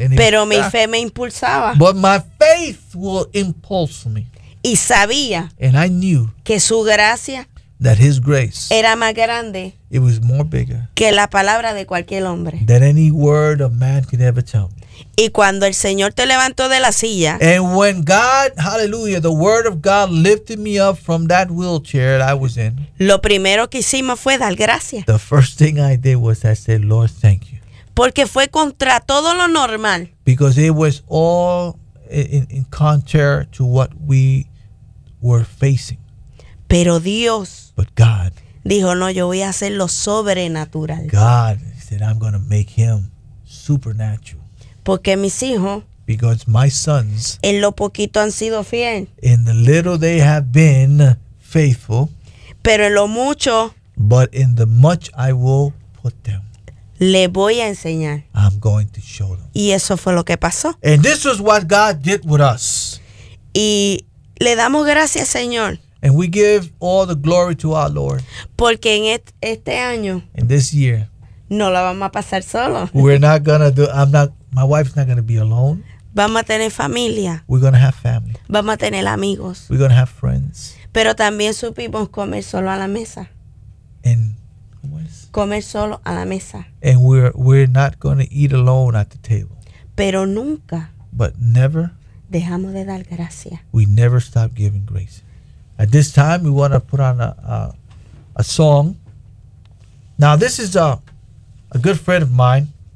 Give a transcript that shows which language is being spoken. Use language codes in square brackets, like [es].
[es] And pero mi fe me impulsaba. [en] But my faith will impulse me. [es] Y sabía. [en] And I knew. [es] Que su gracia. [en] That his grace. [es] Era más grande. [en] It was more bigger. [es] Que la palabra de cualquier hombre. [en] Than any word a man could ever tell me. [es] Y cuando el Señor te levantó de la silla. [en] And when God, hallelujah, the word of God lifted me up from that wheelchair that I was in. [es] Lo primero que hicimos fue dar gracias. [en] The first thing I did was I said, Lord, thank you. [es] Porque fue contra todo lo normal. [en] Because it was all in contrary to what we were facing. [es] Pero Dios. [en] But God. [es] Dijo, no, yo voy a hacer lo sobrenatural. [en] God said, I'm going to make him supernatural. [es] Porque mis hijos, [en] because my sons, [es] en lo poquito han sido fiel, [en] in the little they have been faithful, [es] pero en lo mucho, [en] but in the much I will put them, [es] le voy a enseñar, [en] I'm going to show them. [es] Y eso fue lo que pasó. [en] And this is what God did with us. [es] Y le damos gracias, Señor. [en] And we give all the glory to our Lord. [es] Porque en este año, [en] in this year, [es] no la vamos a pasar solo. [en] We're not going to do, I'm not, my wife's not going to be alone. [es] Vamos a tener familia. [en] We're going to have family. [es] Vamos a tener amigos. [en] We're going to have friends. [es] Pero también supimos comer solo a la mesa. [en] And what? [es] Comer solo a la mesa. [en] And we're not going to eat alone at the table. [es] Pero nunca. [en] But never. [es] Dejamos de dar gracias. [en] We never stop giving grace. At this time, we want to put on a song. Now, this is a good friend of mine.